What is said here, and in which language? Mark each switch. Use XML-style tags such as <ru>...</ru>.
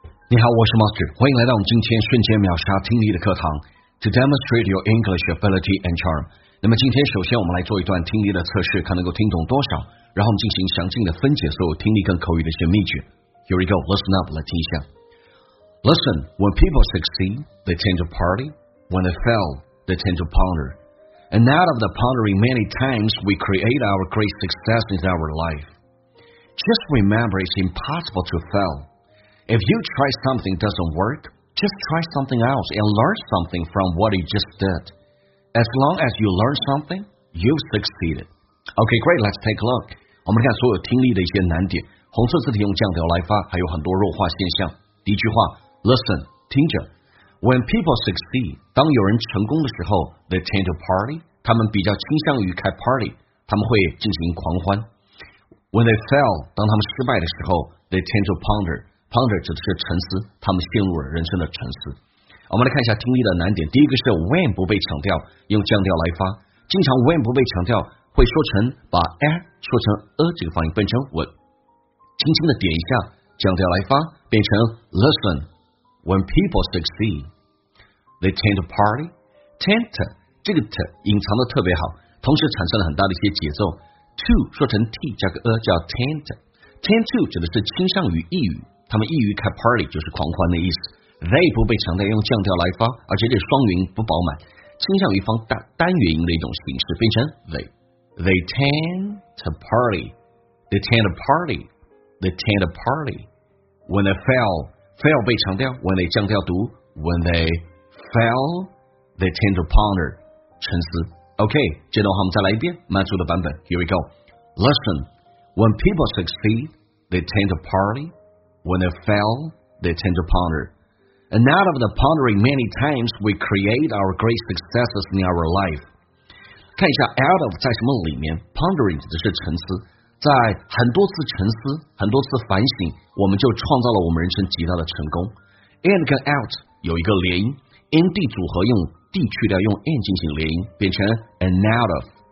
<zh>你好，我是 Master， 欢迎来到我们今天瞬间秒杀听力的课堂</zh> <en>To demonstrate your English ability and charm。</en> <zh>那么今天首先我们来做一段听力的测试，看能够听懂多少，然后我们进行详尽的分解所有听力跟口语的一些秘诀。</zh> <en>Here we go, listen up,</en> <zh>来听一下。</zh> <en>Listen, when people succeed, they tend to party. When they fail, they tend to ponder. And out of the pondering many times, we create our great success in our life. Just remember, it's impossible to failIf you try something doesn't work, just try something else and learn something from what you just did. As long as you learn something, you've succeeded. Okay, great, let's take a look.</en> <zh>我们看所有听力的一些难点，红色字体用降调来发，还有很多弱化现象。第一句话， listen, 听着。</zh> <en>When people succeed,</en> <zh>当有人成功的时候，</zh> <en>they tend to party,</en> <zh>他们比较倾向于开 party, 他们会进行狂欢。</zh> <en>When they fail,</en> <zh>当他们失败的时候，</zh> <en>they tend to ponder,</en> <zh>ponder 指的是沉思，他们陷入了人生的沉思。我们来看一下听力的难点，第一个是 when 不被强调，用降调来发，经常 when 不被强调会说成把 a 说成 a 这个发音，变成 when， 轻轻的点一下，降调来发，变成 listen。</zh> <en>When people succeed, they tend to party.</en> <zh>Tent 这个 t 隐藏的特别好，同时产生了很大的一些节奏。 to 说成 t 加个 a 叫 tent， tend to 指的是倾向于抑郁，他们易于开 party 就是狂欢的意思。 they 不被强调，用降调来发，而且这双元不饱满，倾向于方 单元音的一种形式，变成 they。</zh> <en>They tend to party. They tend to party. They tend to party.</en> <zh>When they fail, fail 被强调，</zh> <en>when they 降调读， when they fail, they tend to ponder,</en> <zh>沉思。 OK, 接着我们再来一遍慢速的版本，</zh> <en>here we go. Listen, when people succeed, they tend to partyWhen they fail, they tend to ponder. And out of the pondering many times, we create our great successes in our life.</en> <zh>看一下 out of 在什么里面， pondering 指的是沉思，在很多次沉思，很多次反省，我们就创造了我们人生极大的成功。 and 跟 out 有一个连音， and 组合用 d 去掉，用 and 进行连音，变成</zh> <en>and out of。</en>